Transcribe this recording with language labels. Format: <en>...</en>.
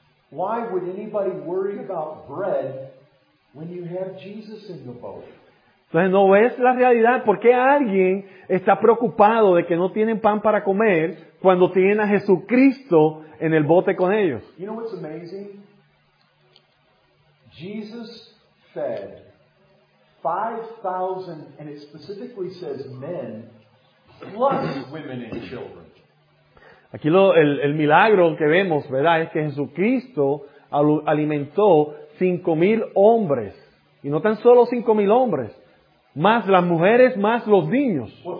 <en>Why would anybody worry about bread when you have Jesus in the boat?</en> <es>Entonces no ves la realidad. ¿Por qué alguien está preocupado de que no tienen pan para comer cuando tienen a Jesucristo en el bote con ellos?</es> <en>You know what's amazing? Jesus fed 5,000, and it specifically says men, plus women and children.</en> <es>Aquí el milagro que vemos, ¿verdad?, es que Jesucristo alimentó 5,000 hombres. Y no tan solo 5,000 hombres. Más las mujeres, más los niños.</es>